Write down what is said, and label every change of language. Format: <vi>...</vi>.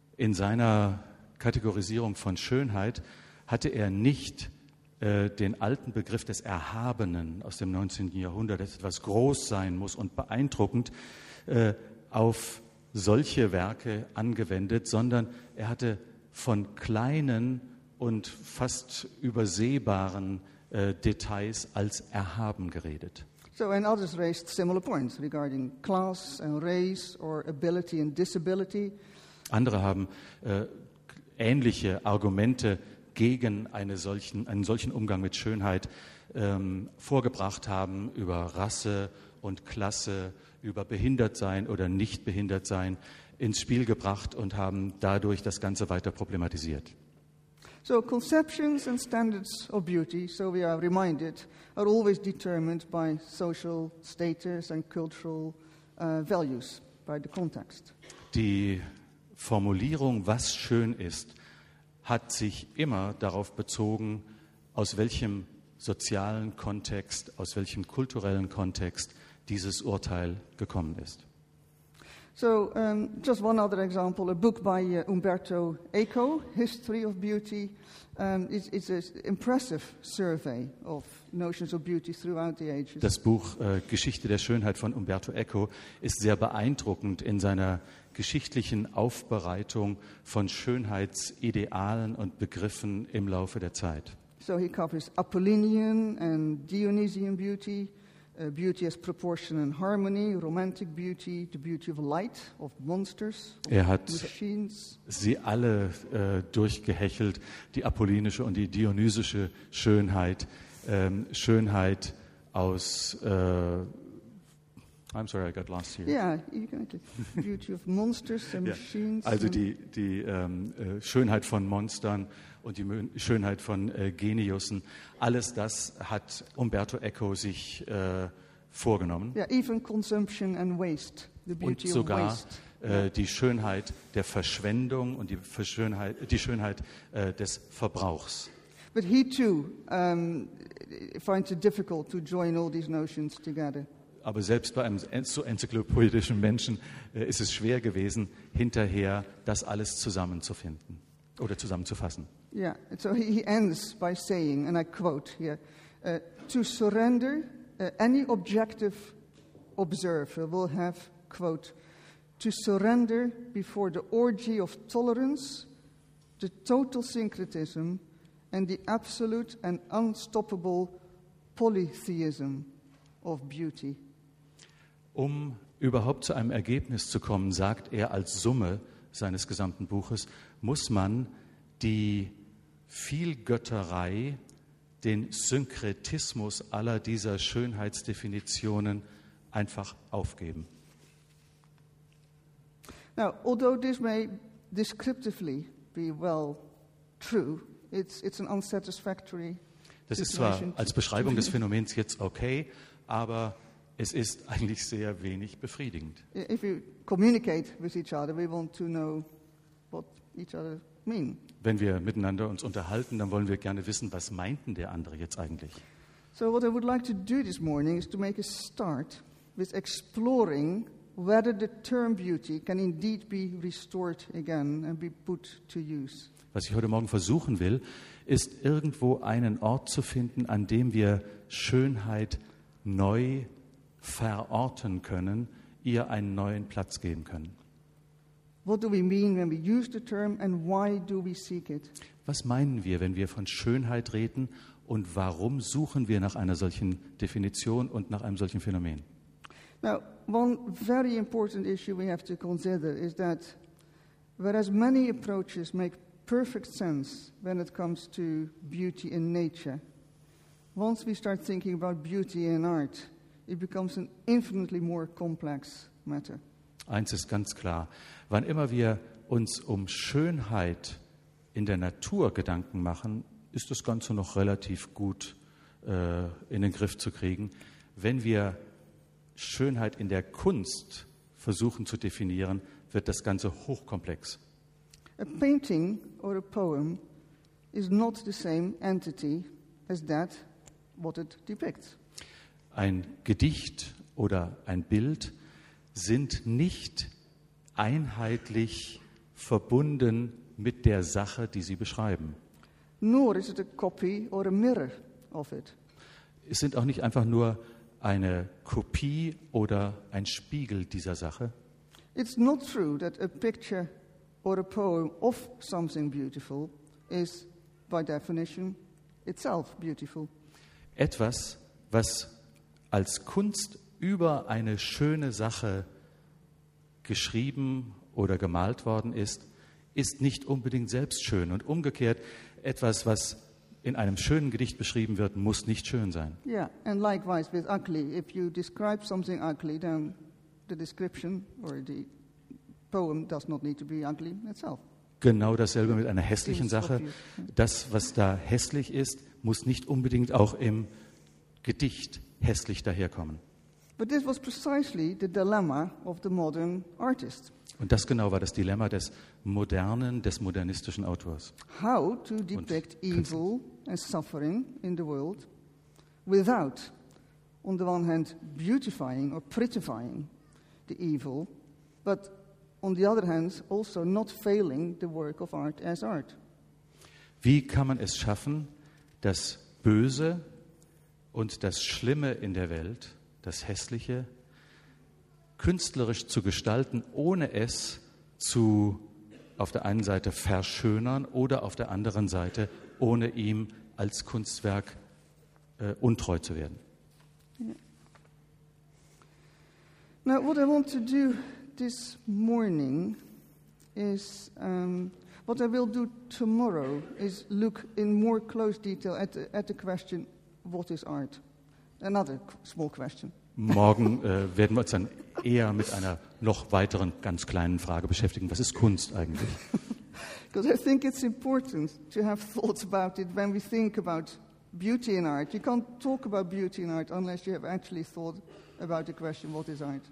<de>In seiner Kategorisierung von Schönheit hatte er nicht den alten Begriff des Erhabenen aus dem 19. Jahrhundert, dass etwas groß sein muss und beeindruckend, auf solche Werke angewendet, sondern er hatte von kleinen und fast übersehbaren Details als erhaben geredet.</de> <en>So, and others raised similar points regarding class and race or ability and disability.</en> <de>Andere haben ähnliche Argumente gegen einen solchen Umgang mit Schönheit vorgebracht haben über Rasse und Klasse, über behindert sein oder nicht behindert sein ins Spiel gebracht und haben dadurch das Ganze weiter problematisiert.</de> <en>So conceptions and standards of beauty, so we are reminded, are always determined by social status and cultural values, by the context.</en> <de>Die Formulierung, was schön ist, hat sich immer darauf bezogen, aus welchem sozialen Kontext, aus welchem kulturellen Kontext dieses Urteil gekommen ist.</de> <en>So, just one other example, a book by Umberto Eco, History of Beauty, is an impressive survey of notions of beauty throughout the ages.</en> <de>Das Buch Geschichte der Schönheit von Umberto Eco ist sehr beeindruckend in seiner geschichtlichen Aufbereitung von Schönheitsidealen und Begriffen im Laufe der Zeit.</de> <en>So he covers Apollinean and Dionysian beauty, beauty as proportion and harmony, romantic beauty, the beauty of light, of monsters,</en> <de>er hat sie alle durchgehechelt, die apollinische und die dionysische Schönheit, Schönheit aus</de> <en>I'm sorry, I got lost here. Yeah, you got the beauty of monsters and yeah. machines.</en> <de>Also die Schönheit von Monstern und die Schönheit von Geniussen. Alles das hat Umberto Eco sich vorgenommen.</de> <en>Yeah, even consumption and waste. The beauty</en> <de>und sogar</de> <en>of waste.</en> <de>Die Schönheit der Verschwendung und die Schönheit des Verbrauchs.</de> <en>But he too finds it difficult to join all these notions together.</en> <de>Aber selbst bei einem so enzyklopädischen Menschen ist es schwer gewesen, hinterher das alles zusammenzufinden oder zusammenzufassen.</de> <en>Yeah, so he ends by saying, and I quote here, to surrender any objective observer will have, quote, to surrender before the orgy of tolerance, the total syncretism and the absolute and unstoppable polytheism of beauty.</en> <de>Um überhaupt zu einem Ergebnis zu kommen, sagt er als Summe seines gesamten Buches, muss man die Vielgötterei, den Synkretismus aller dieser Schönheitsdefinitionen einfach aufgeben.</de> <en>Now, although this may descriptively be well true, it's an unsatisfactory situation.</en> <de>Das ist zwar als Beschreibung des Phänomens jetzt okay, aber es ist eigentlich sehr wenig befriedigend.</de> <en>If we communicate with each other, we want to know what each other mean.</en> <de>Wenn wir miteinander uns unterhalten, dann wollen wir gerne wissen, was meinten der andere jetzt eigentlich?</de> <en>So what I would like to do this morning is to make a start with exploring whether the term beauty can indeed be restored again and be put to use.</en> <de>Was ich heute Morgen versuchen will, ist irgendwo einen Ort zu finden, an dem wir Schönheit neu verorten können, ihr einen neuen Platz geben können.</de> <en>What do we mean when we use the term and why do we seek it?</en> <de>Was meinen wir, wenn wir von Schönheit reden und warum suchen wir nach einer solchen Definition und nach einem solchen Phänomen?</de> <en>Now, one very important issue we have to consider is that whereas many approaches make perfect sense when it comes to beauty in nature, once we start thinking about beauty in art, it becomes an infinitely more complex matter.</en> <de>Eins ist ganz klar. Wann immer wir uns um Schönheit in der Natur Gedanken machen, ist das Ganze noch relativ gut in den Griff zu kriegen. Wenn wir Schönheit in der Kunst versuchen zu definieren, wird das Ganze hochkomplex.</de> <en>A painting or a poem is not the same entity as that what it depicts.</en> <de>Ein Gedicht oder ein Bild sind nicht einheitlich verbunden mit der Sache, die sie beschreiben.</de> <en>Nor is it a copy or a mirror of it.</en> <de>Es sind auch nicht einfach nur eine Kopie oder ein Spiegel dieser Sache.</de> <en>It's not true that a picture or a poem of something beautiful is by definition itself beautiful.</en> <de>Etwas, was als Kunst über eine schöne Sache geschrieben oder gemalt worden ist, ist nicht unbedingt selbst schön. Und umgekehrt, etwas, was in einem schönen Gedicht beschrieben wird, muss nicht schön sein.</de> <en>Yeah, and likewise with ugly. If you describe something ugly, then the description or the poem does not need to be ugly itself.</en> <de>Genau dasselbe mit einer hässlichen Sache. Das, was da hässlich ist, muss nicht unbedingt auch im Gedicht hässlich daherkommen.</de> <en>But this was precisely the dilemma of the modern artist.</en> <de>Und das genau war das Dilemma des modernen, des modernistischen Autors.</de> <en>How to depict evil and suffering in the world without, on the one hand, beautifying or prettifying the evil, but on the other hand, also not failing the work of art as art.</en> <de>Wie kann man es schaffen, das Böse und das Schlimme in der Welt, das Hässliche, künstlerisch zu gestalten, ohne es zu auf der einen Seite verschönern oder auf der anderen Seite, ohne ihm als Kunstwerk untreu zu werden.</de> <en>Now, what I want to do this morning is what I will do tomorrow is look in more close detail at the question, what is art? Another small question.</en> <de>Morgen werden wir uns dann eher mit einer noch weiteren ganz kleinen Frage beschäftigen. Was ist Kunst eigentlich?</de> <en>Because I think it's important to have thoughts about it when we think about beauty in art. You can't talk about beauty in art unless you have actually thought about the question, what is art?</en>